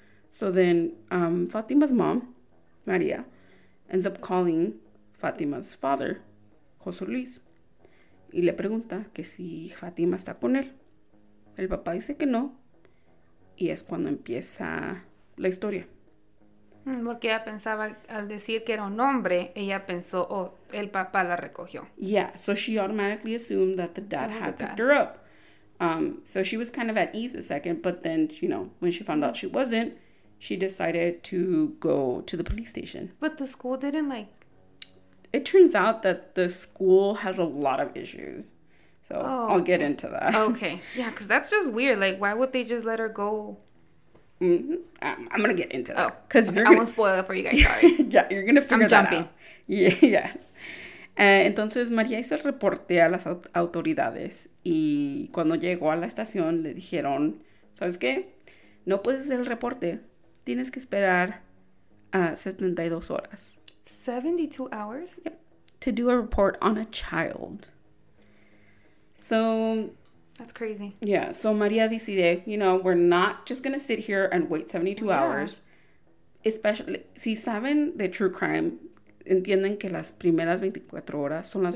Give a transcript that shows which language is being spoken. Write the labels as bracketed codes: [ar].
[en] So then, Fátima's mom, María, ends up calling Fátima's father, José Luis, [es] y le pregunta que si Fátima está con él. El papá dice que no, y es cuando empieza la historia. Porque ella pensaba, al decir que era un hombre, ella pensó, oh, el papá la recogió. [en] Yeah, so she automatically assumed that the dad had picked her up. So she was kind of at ease a second, but then, you know, when she found out she wasn't, she decided to go to the police station. But the school didn't, like, it turns out that the school has a lot of issues. So oh, I'll get into that. Okay. Yeah, because that's just weird. Like, why would they just let her go? Mm-hmm. I'm going to get into that. Oh, okay. I won't spoil it for you guys. Sorry. Yeah, you're going to figure that out. I'm jumping. Yeah. Yeah. [es] Entonces, María hizo el reporte a las autoridades. Y cuando llegó a la estación, le dijeron, ¿sabes qué? No puedes hacer el reporte. Tienes que esperar 72 horas. [en] 72 hours? Yep. To do a report on a child. So. That's crazy. Yeah. So María decide, you know, we're not just going to sit here and wait 72 yeah. hours. [es] Especially, si saben de true crime, entienden que las primeras 24 horas son las